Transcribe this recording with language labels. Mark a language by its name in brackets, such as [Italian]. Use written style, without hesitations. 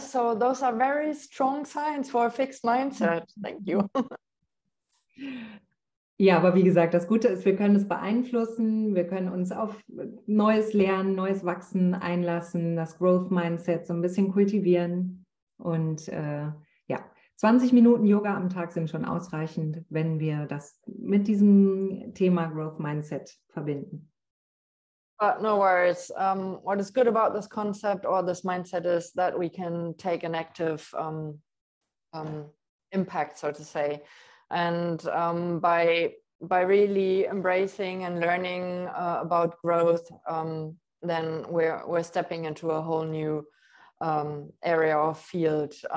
[English] So those are very strong signs for a fixed mindset. Thank you. [German] Ja, aber wie gesagt, das Gute ist, wir können es beeinflussen, wir können uns auf neues Lernen, neues Wachsen einlassen, das Growth Mindset so ein bisschen kultivieren. Und 20 Minuten Yoga am Tag sind schon ausreichend, wenn wir das mit diesem Thema Growth Mindset verbinden. [English] But no worries. What is good about this concept or this mindset is that we can take an active impact, so to say. And by really embracing and learning about growth, then we're stepping into a whole new area or field.